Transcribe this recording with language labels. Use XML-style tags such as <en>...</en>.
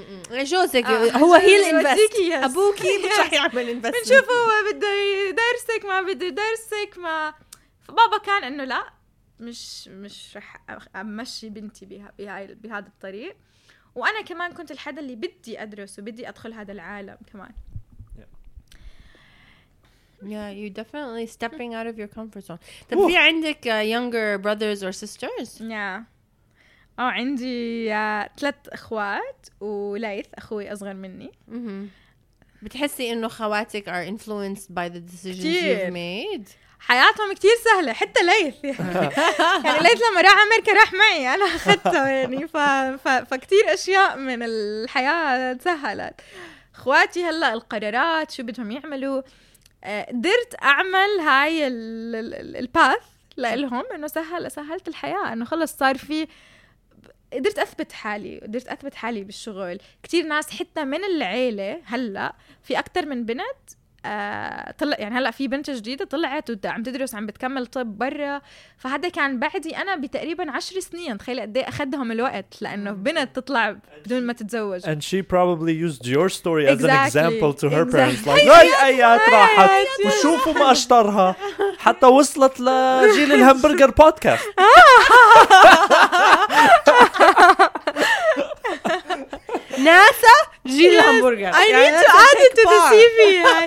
<ar>جوزك هو هي الانفست، أبوكي مش رح يعمل انفست، بنشوف هو بده يدرسك ما بده يدرسك ما. فبابا كان أنه لا مش رح أمشي بنتي بهذا الطريق. وأنا كمان كنت الحدا اللي بدي أدرس وبدي أدخل هذا العالم كمان.</ar> <en>Yeah, you're definitely stepping out of your comfort zone.</en> <ar>طب في عندك</ar> <en>younger brothers or sisters? Yeah.</en> <ar>Oh, عندي 3 أخوات وليث أخوي أصغر مني. بتحسي إنه خواتك</ar> <en>are influenced by the decisions you've made؟</en> <ar>حياتهم كتير سهلة، حتى ليث يعني ليث لما راح أمريكا راح معي أنا أخذته يعني، فكتير أشياء من الحياة تسهلت. أخواتي هلا القرارات شو بدهم يعملوا، قدرت أعمل هاي الباث لهم إنه سهلت الحياة، إنه خلص صار في قدرت أثبت حالي، قدرت أثبت حالي بالشغل. كتير ناس حتى من العيلة هلا في أكتر من بنت طلع، يعني هلا في بنت جديدة طلعت وعم تدرس عم بتكمل طب برا. فهذا كان بعدي أنا بتقريبا 10 سنين، تخيل قد ايه أخذهم الوقت لأنه بنت تطلع بدون ما تتزوج.</ar> <en>And she probably used your story as an example to her parents.</en> <ar>Like, أيات راحت وشوفوا ما أشطرها حتى وصلت لجيل الهامبرجر بودكاست. ناسا جيل الهامبرجر.</ar> <en>I need to add it to the CV.</en>